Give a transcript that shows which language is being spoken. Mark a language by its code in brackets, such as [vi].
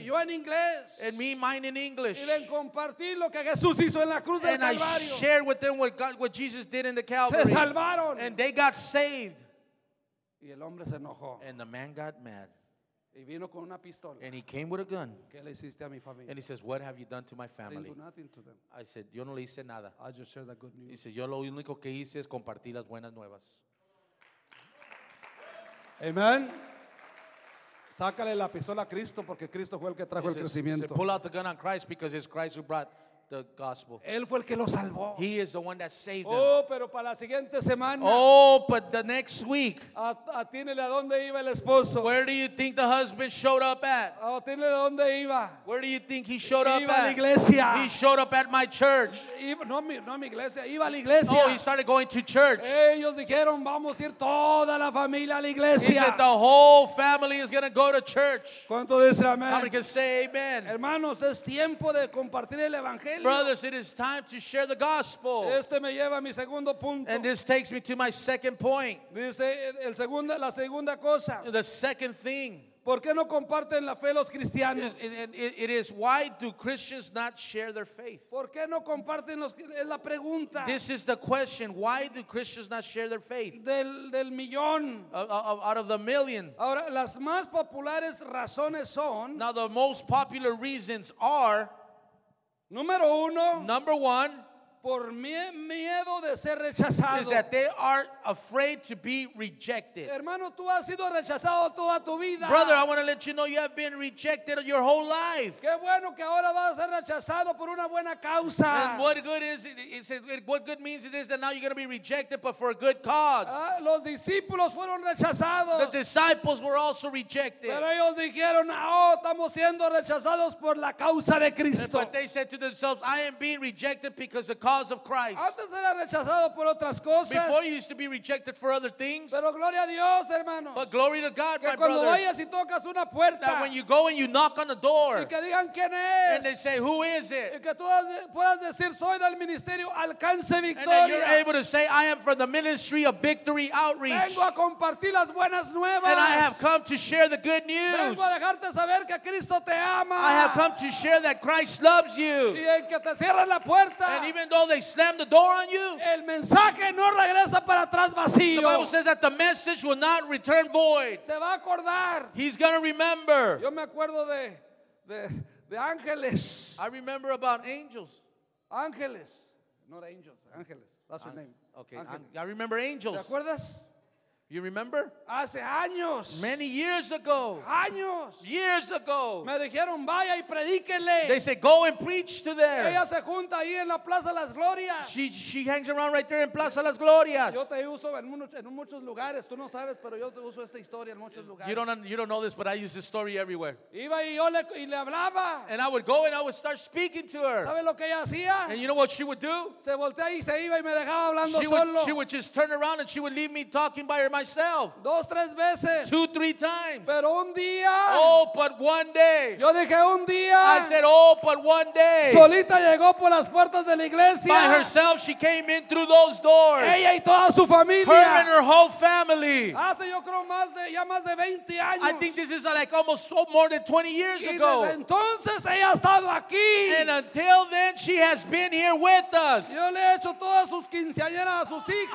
[en] And me, mine in English. And I shared with them what Jesus did in the Calvary. And they got saved. And the man got mad. And he came with a gun. And he says, "What have you done to my family?" I said, [es] "Yo no le hice nada." [en] I just shared the good news. He said, [es] "Yo lo único que hice es compartir las buenas nuevas." Amen. Sácale la pistola a Cristo porque Cristo fue el que trajo el crecimiento. [en] Pull out the gun on Christ because it's Christ who brought the gospel. [es] Él fue el que lo salvó. [en] He is the one that saved them. [es] Oh, pero para la siguiente semana. [en] Oh, but the next week. [es] Atínele a dónde iba el esposo. [en] Where do you think the husband showed up at? [es] Atínele a dónde iba. [en] Where do you think he showed up at? [es] Iba a la iglesia. [en] He showed up at my church. [es] No mi iglesia, iba a la iglesia. [en] Oh, he started going to church. [es] Ellos dijeron, vamos a ir toda la familia a la iglesia. [en] He said the whole family is going to go to church. [es] ¿Cuánto dice amén? [en] How many can say amen? [es] Hermanos, es tiempo de compartir el evangelio. [en] Brothers, it is time to share the gospel. [es] Este me lleva a mi segundo punto. [en] And this takes me to my second point. [es] Dice el segunda, la segunda cosa. [en] The second thing. [es] ¿Por qué no comparten la fe los cristianos? [en] It is why do Christians not share their faith? [es] ¿Por qué no comparten los, es la pregunta. [en] This is the question. Why do Christians not share their faith? [es] Del millón. [en] Out of the million. [es] Ahora, las más populares razones son. [en] Now the most popular reasons are. [es] Número uno, [en] number one, [es] por miedo de ser rechazado, [en] is that they are afraid to be rejected. [es] Hermano, tú has sido rechazado toda tu vida. [en] Brother, I want to let you know you have been rejected your whole life. [es] Qué bueno que ahora vas a ser rechazado por una buena causa. [en] And what good is it? What good means it is that now you're going to be rejected, but for a good cause. [es] Los discípulos fueron rechazados. [en] The disciples were also rejected. [es] Pero ellos dijeron, oh, estamos siendo rechazados por la causa de Cristo. [en] But they said to themselves, I am being rejected because of cause of Christ. [es] Antes era rechazado por otras cosas. [en] Before you used to be rejected for other things. [es] Pero gloria a Dios, hermanos. [en] But glory to God, [es] que [en] my brothers. [es] Cuando vayas y tocas una puerta, [en] that when you go and you knock on the door. [es] Y que digan quién es. [en] And they say, who is it? [es] Y que tú puedas decir, soy del ministerio Alcance Victoria. [en] And then you're able to say, I am from the ministry of Victory Outreach. [es] Vengo a compartir las buenas nuevas. [en] And I have come to share the good news. [es] Vengo a dejarte saber que Cristo te ama. [en] I have come to share that Christ loves you. [es] Y en que te cierren la puerta. [en] And even though they slam the door on you, [es] el mensaje no regresa para atrás vacío. [en] The Bible says that the message will not return void. [es] Se va a acordar. [en] He's going to remember. [es] Yo me acuerdo de ángeles. [en] I remember about angels. Ángeles. Not angels. Ángeles. That's your name. Okay. Ángeles. I remember angels. [es] ¿Te acuerdas? [en] You remember? [es] Hace años. [en] Many years ago. [es] Años. [en] Years ago. [es] Me dijeron, vaya y predíquele. [en] They said, go and preach to them. [es] Ella se junta ahí en la Plaza Las Glorias. [en] She hangs around right there in Plaza Las Glorias. [es] Yo te uso en muchos lugares. Tú no sabes, pero yo te uso esta historia en muchos lugares. [en] You don't know this, but I use this story everywhere. [es] Iba y yo le hablaba. [en] And I would go and I would start speaking to her. [es] ¿Sabes lo que ella hacía? [en] And you know what she would do? [es] Se voltea y se iba y me dejaba hablando [en] she [es] solo. [en] She would just turn around and she would leave me talking by myself. [es] Dos, tres veces. [en] Two, three times. [es] Pero un día, [en] oh, but one day. [es] Yo dije, un día, [en] I said, oh, but one day. [es] Solita llegó por las puertas de la iglesia. [en] By herself, she came in through those doors. [es] Ella y toda su familia. [en] Her and her whole family. [es] Hace yo creo más de, ya más de 20 años. [en] I think this is like almost so more than 20 years [es] y [en] ago. [es] Desde entonces, ella ha estado aquí. [en] And until then, she has been here with us. [es] Yo le he hecho todas sus quinceañeras a sus hijas.